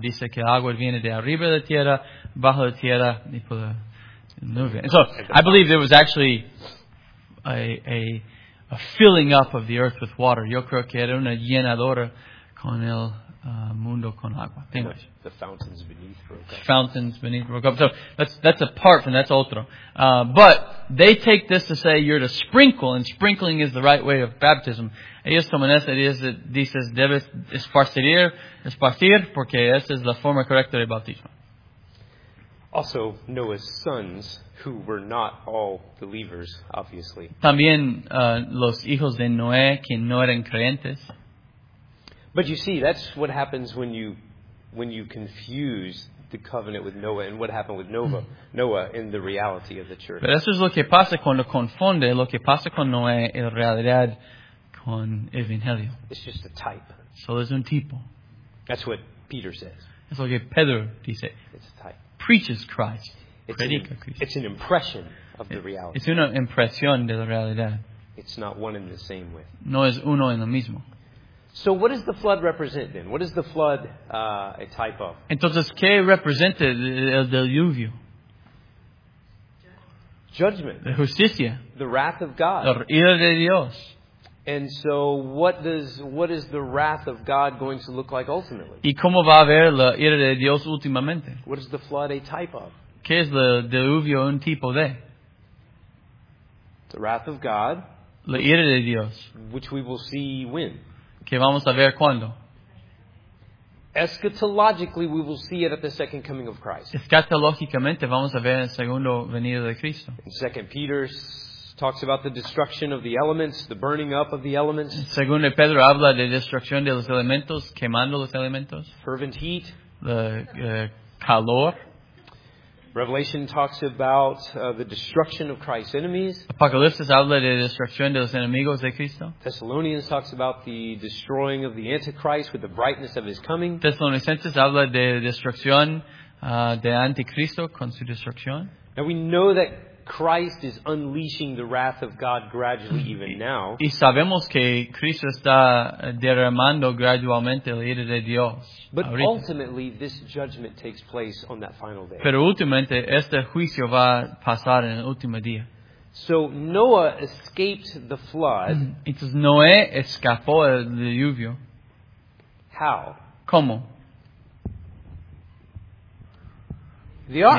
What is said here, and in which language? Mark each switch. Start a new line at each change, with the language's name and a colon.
Spanish: Dice que agua viene de arriba de la tierra, bajo de la tierra, y por la nube.
English: So I believe there was actually a filling up of the earth with water.
Spanish: Yo creo que era una llenadora con el mundo con agua.
English: The fountains beneath broke up. So that's apart from that's otro. But they take this to say you're to sprinkle, and sprinkling is the right way of baptism.
Spanish: Ellos toman esa idea de dices debes esparcir porque esa es la forma correcta de bautismo.
English: Also, Noah's sons, who were not all believers, obviously.
Spanish: También los hijos de Noé, que no eran creyentes.
English: But you see, that's what happens when you confuse the covenant with Noah and what happened with Noah in the reality of the church.
Spanish: Pero eso es lo que pasa cuando confunde lo que pasa con Noé en realidad con Evangelio.
English: It's just a type.
Spanish: Solo es un tipo.
English: That's what Peter says.
Spanish: Es lo que Pedro dice.
English: It's a type. Preaches Christ. It's an impression of the reality.
Spanish: Es una impresión de la realidad.
English: It's not one in the same with.
Spanish: No es uno en lo mismo.
English: So what does the flood represent then? What is the flood a type of?
Spanish: Entonces, ¿qué representa el diluvio?
English: Judgment.
Spanish: La justicia.
English: The wrath of God.
Spanish: La ira de Dios.
English: And so what is the wrath of God going to look like ultimately?
Spanish: ¿Y cómo va a haber la ira de Dios últimamente?
English: What is the flood a type of?
Spanish: ¿Qué es el diluvio un tipo de?
English: The wrath of God.
Spanish: La ira de Dios.
English: Which we will see when.
Spanish: Que vamos a ver cuándo.
English: Eschatologically, we will see it at the second coming of Christ.
Spanish: Escatológicamente, vamos a ver el segundo venido de Cristo.
English: In 2 Peter talks about the destruction of the elements, the burning up of the elements.
Spanish: Segundo Pedro habla de destrucción de los elementos, quemando los elementos.
English: Fervent heat.
Spanish: The calor.
English: Revelation talks about the destruction of Christ's enemies.
Spanish: Apocalipsis habla de destrucción de los enemigos de Cristo.
English: Thessalonians talks about the destroying of the Antichrist with the brightness of his coming.
Spanish: Tesalonicenses habla de destrucción de Anticristo con su destrucción.
English: Now we know that Christ is unleashing the wrath of God gradually even now.
Spanish: Y sabemos que Cristo está derramando gradualmente la ira de Dios.
English: But
Spanish: ahorita.
English: Ultimately, this judgment takes place on that final day.
Spanish: Pero últimamente, este juicio va a pasar en el último día.
English: So Noah escaped the flood.
Spanish: Entonces Noé escapó el diluvio.
English: How?
Spanish: ¿Cómo?
English: The ark.